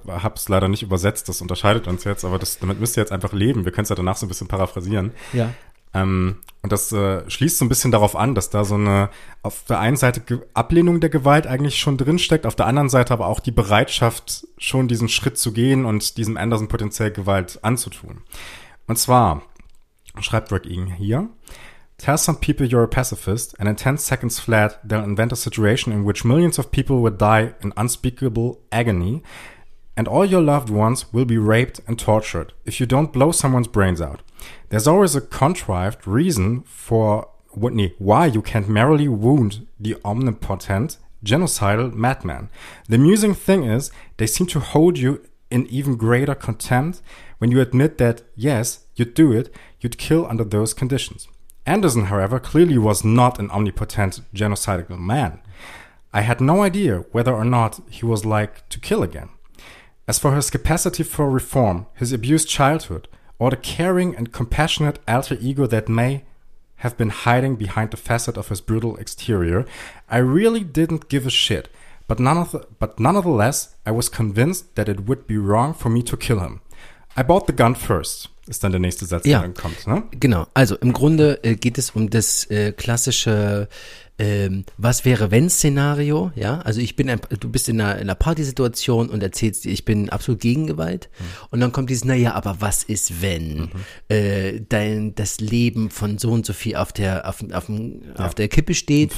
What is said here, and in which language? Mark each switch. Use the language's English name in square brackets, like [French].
[German] Ich habe es leider nicht übersetzt, das unterscheidet uns jetzt, aber damit müsst ihr jetzt einfach leben. Wir können es ja danach so ein bisschen paraphrasieren. Ja. Und das schließt so ein bisschen darauf an, dass da so eine auf der einen Seite Ablehnung der Gewalt eigentlich schon drinsteckt, auf der anderen Seite aber auch die Bereitschaft, schon diesen Schritt zu gehen und diesem Anderson potenziell Gewalt anzutun. Und zwar schreibt Greg Egan hier: [English] Tell some people you're a pacifist, and in 10 seconds flat, they'll invent a situation in which millions of people will die in unspeakable agony, and all your loved ones will be raped and tortured, if you don't blow someone's brains out. There's always a contrived reason why you can't merrily wound the omnipotent, genocidal madman. The amusing thing is, they seem to hold you in even greater contempt when you admit that, yes, you'd do it, you'd kill under those conditions. Anderson, however, clearly was not an omnipotent, genocidal man. I had no idea whether or not he was like to kill again. As for his capacity for reform, his abused childhood, or the caring and compassionate alter ego that may have been hiding behind the facet of his brutal exterior, I really didn't give a shit. But nonetheless, I was convinced that it would be wrong for me to kill him. I bought the gun first, [German] ist dann der nächste Satz, ja, der dann kommt. Ne? Genau, also im Grunde geht es um das klassische Was-wäre-wenn-Szenario. Ja, also du bist in einer Partysituation und erzählst dir, ich bin absolut gegen Gewalt. Mhm. Und dann kommt dieses, naja, aber was ist, wenn das Leben von so und so viel auf der Kippe steht.